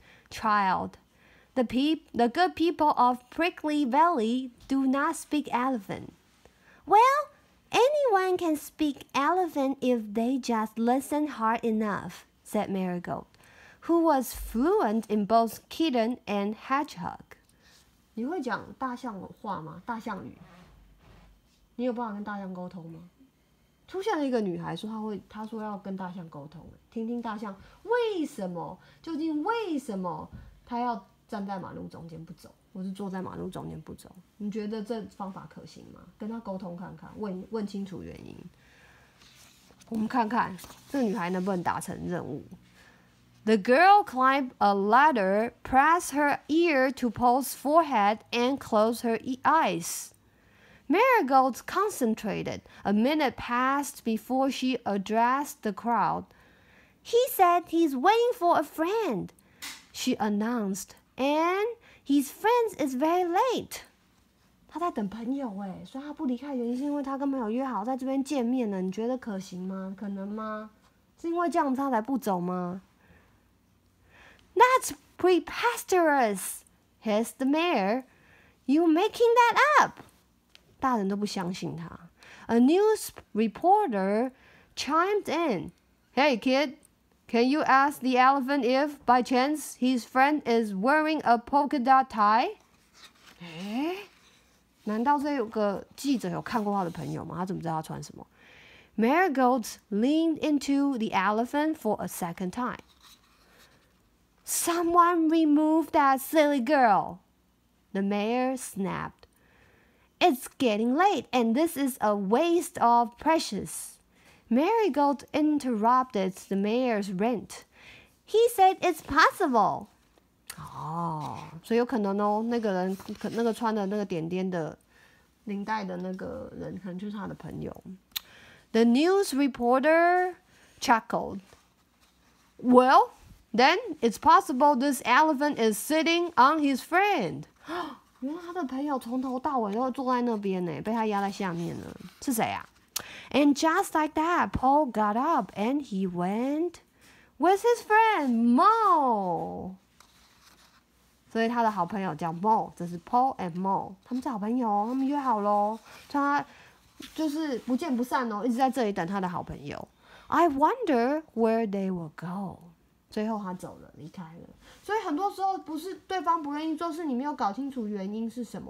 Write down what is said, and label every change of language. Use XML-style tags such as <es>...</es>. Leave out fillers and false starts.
<en>Child, the good people of Prickly Valley do not speak elephant. Well, anyone can speak elephant if they just listen hard enough, said Marigold, who was fluent in both kitten and hedgehog.</en> <zh>你会讲大象话吗？大象语，你有办法跟大象沟通吗？出现了一个女孩说她会，她说要跟大象沟通，听听大象为什么，究竟为什么她要站在马路中间不走，或是坐在马路中间不走？你觉得这方法可行吗？跟她沟通看看，问清楚原因。我们看看这个女孩能不能达成任务。</zh> <en>The girl climbed a ladder, pressed her ear to Paul's forehead, and closed her eyes. Marigold concentrated. A minute passed before she addressed the crowd. He said he's waiting for a friend, she announced, and his friend is very late.</en> <zh>他在等朋友耶，所以他不离开原因是因为他跟朋友约好在这边见面了。你觉得可行吗？可能吗？是因为这样子他才不走吗？</zh> <en>That's preposterous, hissed the mayor. You're making that up.</en> <zh>大人都不相信他。</zh> <en>A news reporter chimed in. Hey, kid, can you ask the elephant if, by chance, his friend is wearing a polka dot tie?</en> <zh>难道这个记者有看过他的朋友吗？他怎么知道他穿什么？</zh> <en>Marigold leaned into the elephant for a second time. Someone remove that silly girl, the mayor snapped. It's getting late, and this is a waste of precious. Marigold interrupted the mayor's rant. He said it's possible.</en> <zh>哦，所以有可能哦，那个人，那个穿的那个点点的领带的那个人，可能就是他的朋友。</zh> <en>The news reporter chuckled. Well,Then, it's possible this elephant is sitting on his friend.</en> <zh>原来他的朋友从头到尾都坐在那边呢，被他压在下面呢。是谁啊？</zh> <en>And just like that, Paul got up and he went with his friend, Mo.</en> <zh>所以他的好朋友叫 Mo, 这是 Paul and Mo. 他们是好朋友，他们约好咯。他就是不见不散哦，一直在这里等他的好朋友。</zh> <en>I wonder where they will go.</en> <zh>最后他走了，离开了。所以很多时候不是对方不愿意做，是你没有搞清楚原因是什么。</zh>